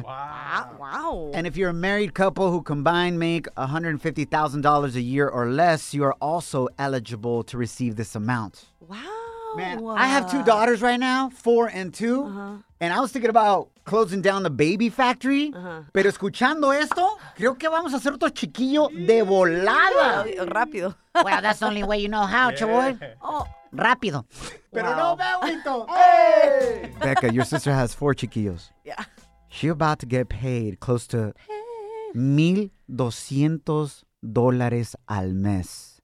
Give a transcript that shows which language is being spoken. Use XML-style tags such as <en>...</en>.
<en>Wow. And if you're a married couple who combined make $150,000 a year or less, you are also eligible to receive this amount. Wow. Man, I have 2 daughters right now, 4 and 2. Uh-huh. And I was thinking about closing down the baby factory. Uh-huh.</en> <es>Pero escuchando esto, creo que vamos a hacer otro chiquillo de volada. Rápido.</es> <en>Well, that's the only way you know how, chavoy. Oh.</en> <es>Rápido. Pero no, Bellito.</es> <en>Hey! Becca, your sister has 4 chiquillos. Yeah. She about to get paid close to $1,200</en> <es>al mes.</es>